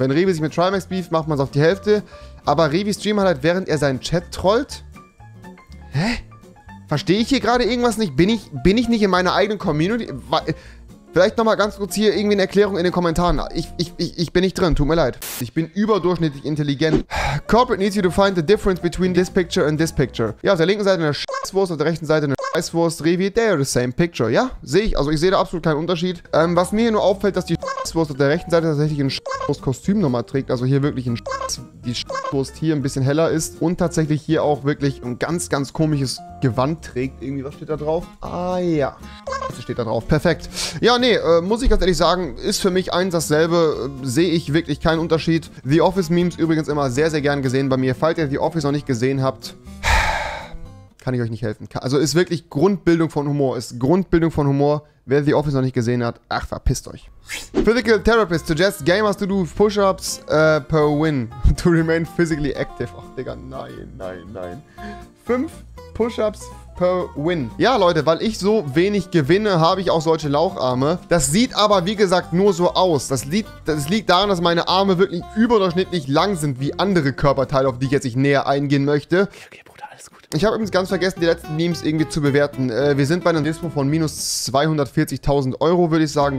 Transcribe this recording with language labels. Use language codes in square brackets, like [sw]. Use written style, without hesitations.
[de] Wenn Revi sich mit Trimax beef, macht man es auf die Hälfte. Aber Revi streamt halt, während er seinen Chat trollt. Hä? Verstehe ich hier gerade irgendwas nicht? Bin ich nicht in meiner eigenen Community? Vielleicht nochmal ganz kurz hier irgendwie eine Erklärung in den Kommentaren. Ich bin nicht drin, tut mir leid. Ich bin überdurchschnittlich intelligent. [en] Corporate needs you to find the difference between this picture and this picture. [de] Ja, auf der linken Seite eine Scheißwurst, auf der rechten Seite eine Scheißwurst. [en] Revi, they are the same picture, [de] ja? Sehe ich, also ich sehe da absolut keinen Unterschied. Was mir hier nur auffällt, dass die Scheißwurst auf der rechten Seite tatsächlich ein Scheißwurst-Kostüm nochmal trägt. Also hier wirklich ein die Scheißwurst hier ein bisschen heller ist. Und tatsächlich hier auch wirklich ein ganz, ganz komisches Gewand trägt. Irgendwie, was steht da drauf? Ah ja, Scheiße steht da drauf. Perfekt. Ja, nee, muss ich ganz ehrlich sagen, ist für mich eins dasselbe. Sehe ich wirklich keinen Unterschied. The Office-Memes übrigens immer sehr, sehr gern gesehen bei mir. Falls ihr The Office noch nicht gesehen habt, kann ich euch nicht helfen. Also ist wirklich Grundbildung von Humor. Ist Grundbildung von Humor. Wer The Office noch nicht gesehen hat, ach, verpisst euch. [en] Physical Therapist suggests gamers to do push-ups per win to remain physically active. [de] Ach, Digga, nein. [en] 5 push-ups per win. [de] Ja, Leute, weil ich so wenig gewinne, habe ich auch solche Laucharme. Das sieht aber, wie gesagt, nur so aus. Das liegt daran, dass meine Arme wirklich überdurchschnittlich lang sind wie andere Körperteile, auf die ich jetzt nicht näher eingehen möchte. Okay, Bruder, alles gut. Ich habe übrigens ganz vergessen, die letzten Memes irgendwie zu bewerten. Wir sind bei einem Dispo von minus 240.000 Euro, würde ich sagen.